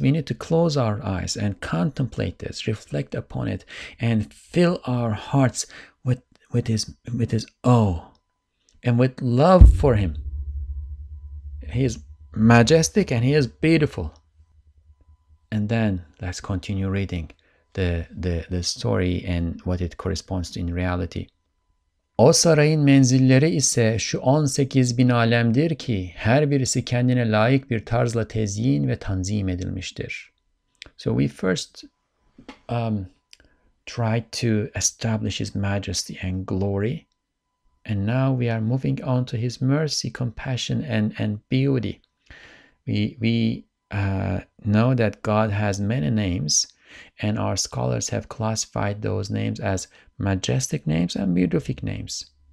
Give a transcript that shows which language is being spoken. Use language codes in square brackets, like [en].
[en] We need to close our eyes and contemplate this, reflect upon it, and fill our hearts with his awe and with love for him. He is majestic and he is beautiful. And then let's continue reading the story and what it corresponds to in reality. [tr] O sarayın menzilleri ise şu 18 bin alemdir ki her birisi kendine layık bir tarzla tezyin ve tanzim edilmiştir. [en] So we first tried to establish his majesty and glory, and now we are moving on to his mercy, compassion and beauty. We know that God has many names, and our scholars have classified those names as majestic names and beatific names.